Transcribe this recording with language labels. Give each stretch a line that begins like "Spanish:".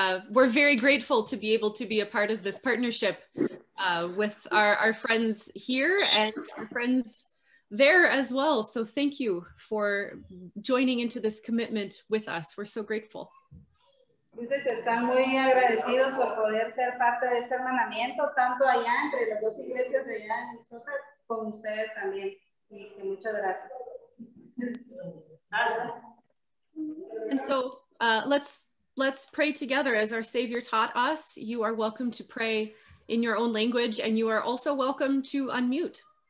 English: We're very grateful to be able to be a part of this partnership with our friends here and our friends there as well. So thank you for joining into this commitment with us. We're so grateful.
Spanish: Dice que están muy agradecidos por poder ser parte de este hermanamiento, tanto allá entre las dos iglesias de allá en Minnesota, con ustedes también. Y que muchas gracias.
English: And so, let's pray together as our Savior taught us. You are welcome to pray in your own language, and you are also welcome to unmute.